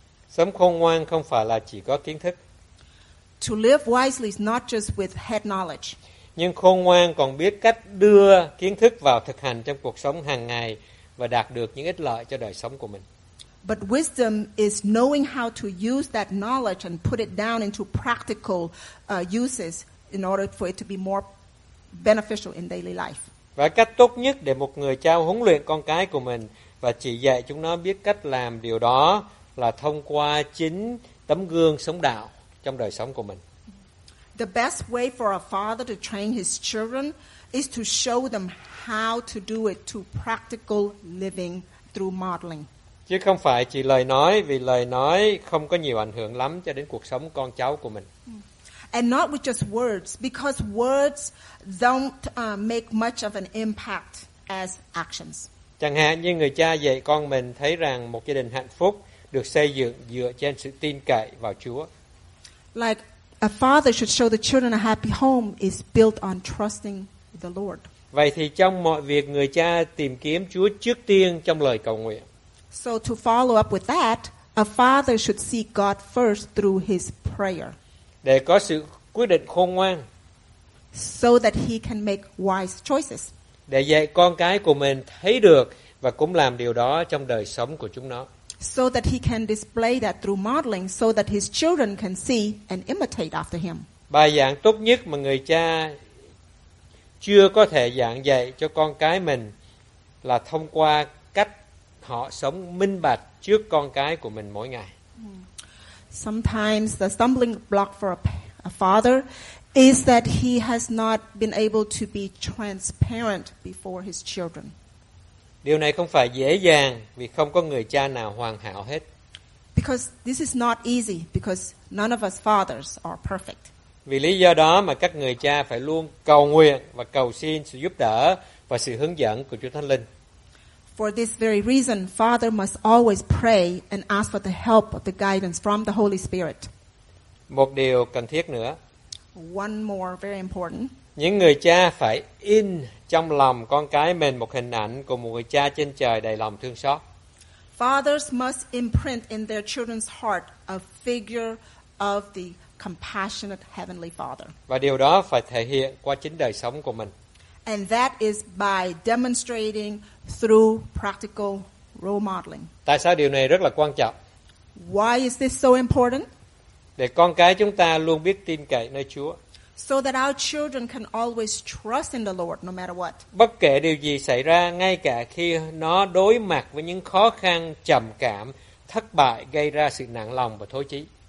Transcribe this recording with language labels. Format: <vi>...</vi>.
<vi>Sống khôn ngoan không phải là chỉ có kiến thức.</vi> <en>To live wisely is not just with head knowledge.</en> <vi>Nhưng khôn ngoan còn biết cách đưa kiến thức vào thực hành trong cuộc sống hàng ngày và đạt được những ích lợi cho đời sống của mình.</vi> <en>But wisdom is knowing how to use that knowledge and put it down into practical uses in order for it to be more beneficial in daily life.</en> <vi>Và cách tốt nhất để một người cha huấn luyện con cái của mình và chỉ dạy chúng nó biết cách làm điều đó là thông qua chính tấm gương sống đạo trong đời sống của mình.</vi> <en>The best way for a father to train his children is to show them how to do it to practical living through modeling.</en> <vi>Chứ không phải chỉ lời nói, vì lời nói không có nhiều ảnh hưởng lắm cho đến cuộc sống con cháu của mình.</vi> <en>And not with just words, because words don't make much of an impact as actions.</en> <vi>Chẳng hạn như người cha dạy con mình thấy rằng một gia đình hạnh phúc được xây dựng dựa trên sự tin cậy vào Chúa.</vi> <en>Like a father should show the children a happy home is built on trusting the Lord.</en> <vi>Vậy thì trong mọi việc, người cha tìm kiếm Chúa trước tiên trong lời cầu nguyện.</vi> <en>So to follow up with that, a father should seek God first through his prayer.</en> <vi>Để có sự quyết định khôn ngoan.</vi> <en>So that he can make wise choices.</en> <vi>Để dạy con cái của mình thấy được và cũng làm điều đó trong đời sống của chúng nó.</vi> <en>So that he can display that through modeling, so that his children can see and imitate after him.</en> <vi>Bài giảng tốt nhất mà người cha chưa có thể giảng dạy cho con cái mình là thông qua cách họ sống minh bạch trước con cái của mình mỗi ngày.</vi> <en>Sometimes the stumbling block for a father is that he has not been able to be transparent before his children.</en> <vi>Điều này không phải dễ dàng vì không có người cha nào hoàn hảo hết.</vi> <en>Because this is not easy because none of us fathers are perfect.</en> <vi>Vì lý do đó mà các người cha phải luôn cầu nguyện và cầu xin sự giúp đỡ và sự hướng dẫn của Chúa Thánh Linh.</vi> <en>For this very reason, father must always pray and ask for the help of the guidance from the Holy Spirit.</en> <vi>Một điều cần thiết nữa.</vi> <en>One more very important.</en> <vi>Những người cha phải in trong lòng con cái mình một hình ảnh của một người cha trên trời đầy lòng thương xót.</vi> <en>Fathers must imprint in their children's heart a figure of the compassionate heavenly father.</en> <vi>Và điều đó phải thể hiện qua chính đời sống của mình.</vi> <en>And that is by demonstrating through practical role modeling.</en> <vi>Tại sao điều này rất là quan trọng?</vi> <en>Why is this so important?</en> <vi>Để con cái chúng ta luôn biết tin cậy nơi Chúa.</vi> <en>So that our children can always trust in the Lord no matter what.</en> <vi>Bất kể điều gì xảy ra, ngay cả khi nó đối mặt với những khó khăn, trầm cảm, thất bại gây ra sự nặng lòng và thối chí.</vi>